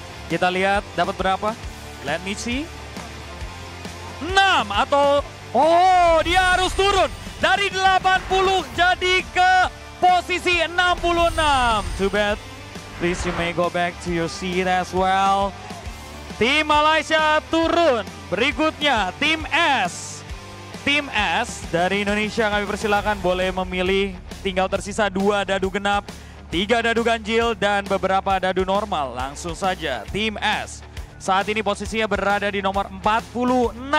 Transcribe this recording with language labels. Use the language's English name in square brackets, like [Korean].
[Indonesian] Kita lihat dapat berapa. [English] Let me see. [Indonesian] 6 atau, oh, dia harus turun dari 80 jadi ke posisi 66. [English] Too bad. Please you may go back to your seat as well. [Indonesian] Tim Malaysia turun. Berikutnya Tim S. Tim S dari Indonesia kami persilakan boleh memilih. Tinggal tersisa 2 dadu genap, 3 dadu ganjil dan beberapa dadu normal. Langsung saja Tim S. Saat ini posisinya berada di nomor 46.